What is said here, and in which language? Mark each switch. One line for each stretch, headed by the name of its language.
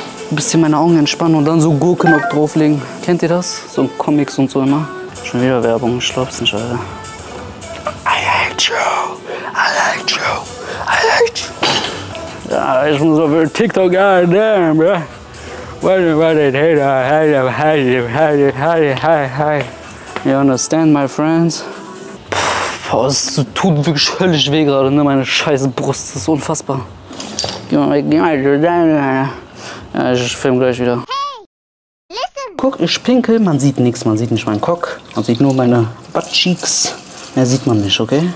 German: Ein bisschen meine Augen entspannen und dann so Gurken noch drauflegen. Kennt ihr das? So ein Comics und so immer. Schon wieder Werbung, ich glaub's nicht, Alter. Ja, ich muss auf TikTok, goddamn, bruh. Hey.
English: You understand, my friends?
German: Boah, es tut wirklich höllisch weh gerade, ne? Meine scheiße Brust, das ist unfassbar. Geh mal. Ja, ich film gleich wieder.
English: Hey, listen.
German: Guck, ich pinkel, man sieht nichts, man sieht nicht meinen Cock. Man sieht nur meine Buttcheeks. Mehr sieht man nicht, okay?